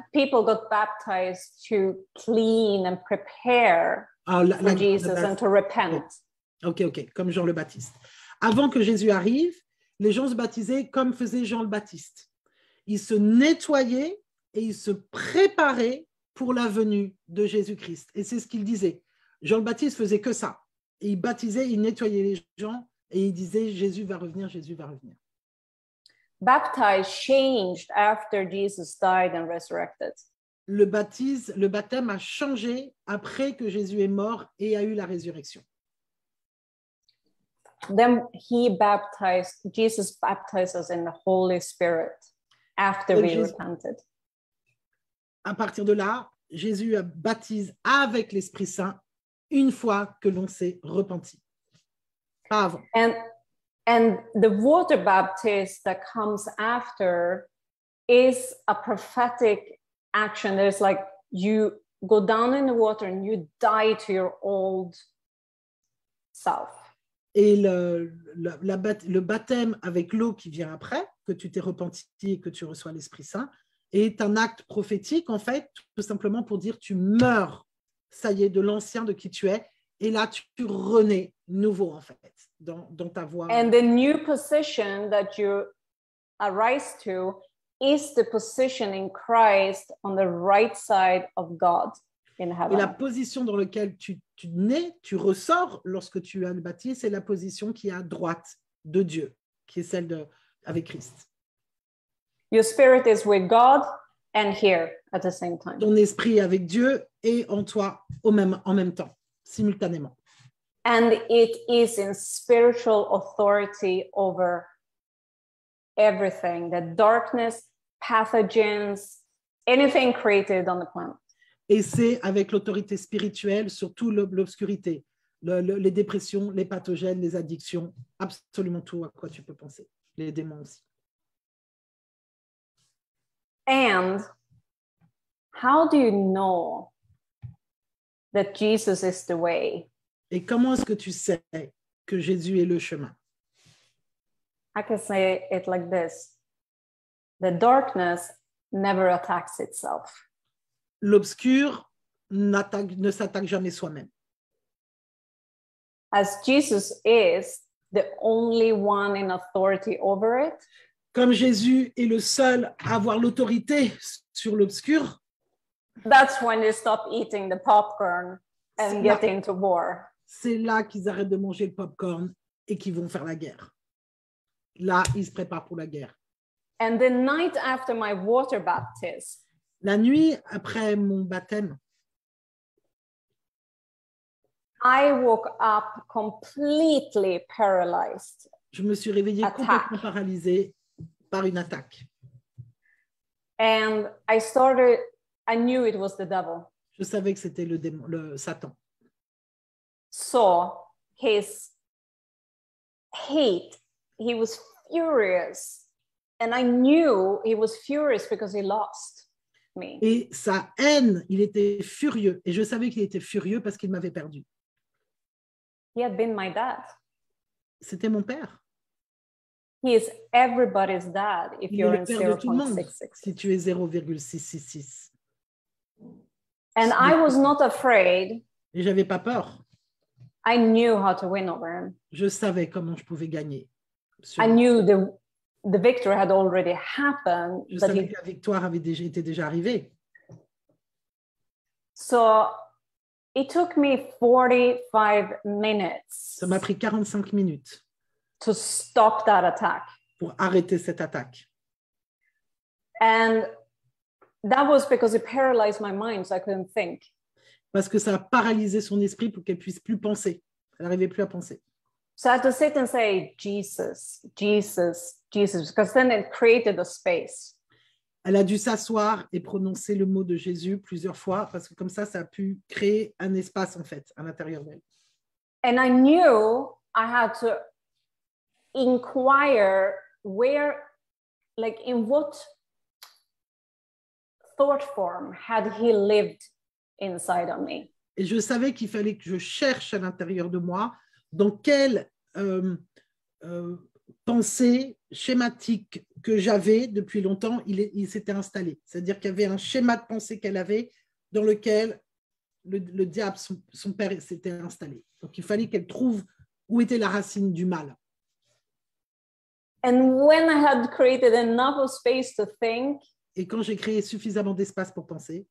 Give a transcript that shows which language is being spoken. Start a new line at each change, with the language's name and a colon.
English: People got baptized to clean and prepare for Jesus and to repent.
French: Okay, comme Jean le Baptiste. Avant que Jésus arrive, les gens se baptisaient comme faisait Jean le Baptiste. Ils se nettoyaient et ils se préparaient pour la venue de Jésus-Christ. Et c'est ce qu'il disait. Jean le Baptiste faisait que ça. Et il baptisait, il nettoyait les gens et il disait Jésus va revenir, Jésus va revenir.
English: Baptized changed after Jesus died and resurrected.
French: Le baptême a changé après que Jésus est mort et a eu la résurrection.
English: Then he baptized, Jesus baptized us in the Holy Spirit after we repented.
French: À partir de là, Jésus baptise avec l'Esprit Saint une fois que l'on s'est repenti. Pas avant.
English: And the water baptism that comes after is a prophetic action. There's like you go down in the water and you die to your old self.
French: Et le baptême avec l'eau qui vient après, que tu t'es repenti et que tu reçois l'Esprit Saint, est un acte prophétique, en fait, tout simplement pour dire tu meurs, ça y est, de l'ancien, de qui tu es, et là, tu renais nouveau, en fait, dans ta voie.
English: And the new position that you arise to is the position in Christ on the right side of God.
French: Et la position dans laquelle tu nais, tu ressors lorsque tu as le baptisé, c'est la position qui est à droite de Dieu, qui est celle de avec Christ.
English: Your spirit is with God and here at the same time.
French: Ton esprit est avec Dieu et en toi en même temps, simultanément.
English: And it is in spiritual authority over everything, the darkness, pathogens, anything created on the planet.
French: Et c'est avec l'autorité spirituelle sur toute l'obscurité, les dépressions, les pathogènes, les addictions, absolument tout à quoi tu peux penser, les démons aussi.
English: And how do you know that Jesus is the way?
French: Et comment est-ce que tu sais que Jésus est le chemin?
English: I can say it like this. The darkness never attacks itself.
French: L'obscur ne s'attaque jamais soi-même.
English: As Jesus is the only one in authority over it.
French: Comme Jésus est le seul à avoir l'autorité sur l'obscur.
English: That's when they stop eating the popcorn and get into war.
French: C'est là qu'ils arrêtent de manger le popcorn et qu'ils vont faire la guerre. Là, ils se préparent pour la guerre.
English: And the night after my water baptism.
French: La nuit après mon baptême,
English: I woke up completely paralyzed.
French: Je me suis réveillée complètement paralysée par une attaque.
English: And I knew it was the devil.
French: Je savais que c'était le démon, le Satan.
English: So his hate, he was furious. And I knew he was furious because he lost.
French: Et sa haine, il était furieux. Et je savais qu'il était furieux parce qu'il m'avait perdu.
English: He had been my dad.
French: C'était mon père.
English: He is everybody's dad if
French: il
English: you're
French: est le père de tout le monde si tu es 0,666.
English: And I was not afraid.
French: Et je n'avais pas peur.
English: I knew how to win over him.
French: Je savais comment je pouvais gagner.
English: I knew the victory had already happened.
French: Je savais que la victoire était déjà arrivée.
English: So it took me 45 minutes.
French: Ça m'a pris 45 minutes.
English: To stop that attack.
French: Pour arrêter cette attaque.
English: And that was because it paralyzed my mind, so I couldn't think.
French: Parce que ça a paralysé son esprit pour qu'elle puisse plus penser. Elle n'arrivait plus à penser.
English: So I had to sit and say, Jesus, Jesus, Jesus, because then it created a space.
French: Elle a dû s'asseoir et prononcer le mot de Jésus plusieurs fois, parce que comme ça, ça a pu créer un espace, en fait, à l'intérieur d'elle.
English: And I knew I had to inquire where, like, in what thought form had he lived inside of me.
French: Et je savais qu'il fallait que je cherche à l'intérieur de moi dans quelle pensée schématique que j'avais depuis longtemps, il s'était installé. C'est-à-dire qu'il y avait un schéma de pensée qu'elle avait dans lequel le diable, son père, s'était installé. Donc, il fallait qu'elle trouve où était la racine du mal.
English: And when I had created enough space to think,
French: Et quand j'ai créé suffisamment d'espace pour penser,